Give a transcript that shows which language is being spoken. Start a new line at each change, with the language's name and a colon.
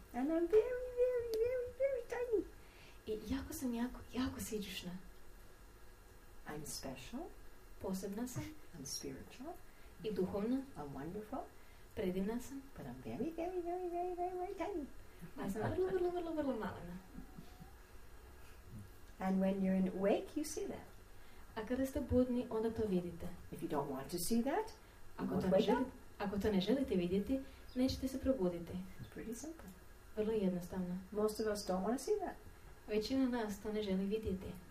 English: And I'm very, very, very, very tiny.
Croatian: I jako sam jako sićušna.
English: I'm special.
Croatian: Posebna sam.
English: I'm spiritual.
Croatian: I duhovna.
English: I'm wonderful.
Croatian: Predivna sam.
English: But I'm very, very, very, very, very, very tiny.
Croatian: A sam vrlo, vrlo, vrlo, vrlo malena.
English: And when you're in awake, you see that.
Croatian: A kada ste budni, onda to vidite.
English: If you don't want to see that,
Croatian: ako
English: you won't wake up.
Croatian: Ako to ne želite vidjeti, nećete se probuditi.
English: It's pretty simple.
Croatian: Vrlo jednostavno.
English: Most of us don't want to see that.
Croatian: Većina nas to ne želi vidjeti.